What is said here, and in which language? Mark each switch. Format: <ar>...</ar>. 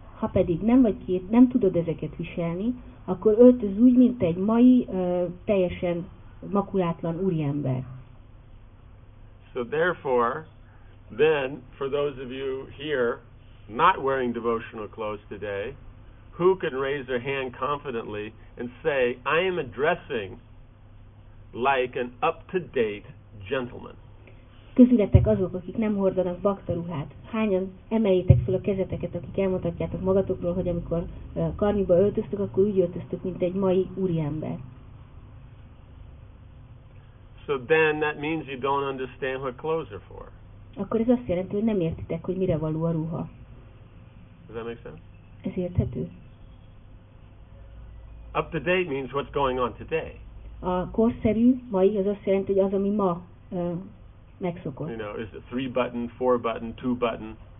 <hu>Ha pedig nem tudod ezeket viselni, akkor öltöz úgy, mint egy mai teljesen makulátlan úriember.</hu> <en>So therefore, then for those of you here not wearing devotional clothes today, who can raise their hand confidently and say, I am addressing like an up-to-date gentleman?</en> <hu>Közületek azok, akik nem hordanak bakta ruhát. Hányan emeljétek fel a kezeteket, akik elmondhatjátok magatokról, hogy amikor karniba öltöztök, akkor úgy öltöztök, mint egy mai úriember.</hu> <en>So then that means you don't understand what clothes are for.</en> <hu>Akkor ez azt jelenti, hogy nem értitek, hogy mire való a ruha.</hu> <en>Does that make sense?</en> <hu>Ez érthető.</hu> <en>Up to date means what's going on today.</en> <hu>A korszerű, mai, az azt jelenti, hogy az, ami ma megszokott.</hu> <en>You know, is it 3-button, 4-button, 2-button?</en>